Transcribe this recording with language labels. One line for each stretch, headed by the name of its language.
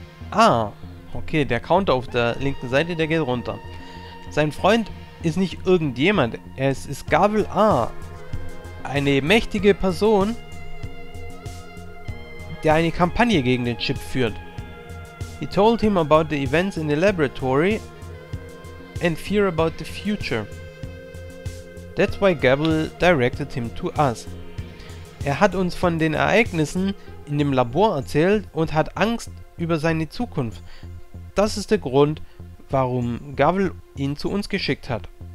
German: Ah, okay, der Counter auf der linken Seite, der geht runter. Sein Freund ist nicht irgendjemand. Es ist Gavel A. Eine mächtige Person, der eine Kampagne gegen den Chip führt.
English: He told him about the events in the laboratory and fear about the future. That's why Gavel directed him to us.
German: Er hat uns von den Ereignissen in dem Labor erzählt und hat Angst über seine Zukunft. Das ist der Grund, warum Gavel ihn zu uns geschickt hat.